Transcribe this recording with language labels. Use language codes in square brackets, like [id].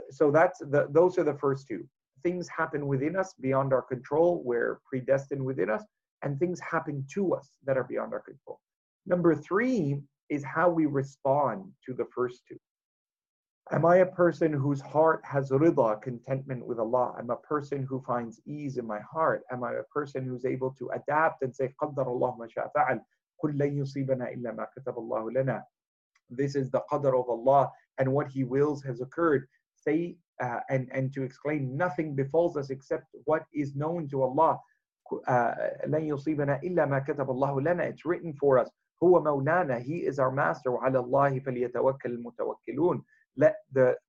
[en] Those are the first two. Things happen within us beyond our control, we're predestined within us, and things happen to us that are beyond our control. Number three is how we respond to the first two. Am I a person whose heart has ridha, contentment with Allah? I'm a person who finds ease in my heart. Am I a person who's able to adapt and say, [ar] قَدَّرَ اللَّهُ مَا شَاءَ فَعَلْ قُلْ لَنْ يُصِيبَنَا إِلَّا مَا كَتَبَ اللَّهُ لَنَا. [en] This is the qadr of Allah, and what He wills has occurred. Say, and to exclaim, nothing befalls us except what is known to Allah. [ar] لَنْ يُصِيبَنَا إِلَّا مَا كَتَبَ اللَّهُ لَنَا. [en] It's written for us. [ar] هُوَ مَوْنَانَا. [en] He is our master. [ar] وَعَلَى اللَّهِ فَلْيَتَوَكَّلْ الْمُتَوَكِّلُونَ. [en] Let the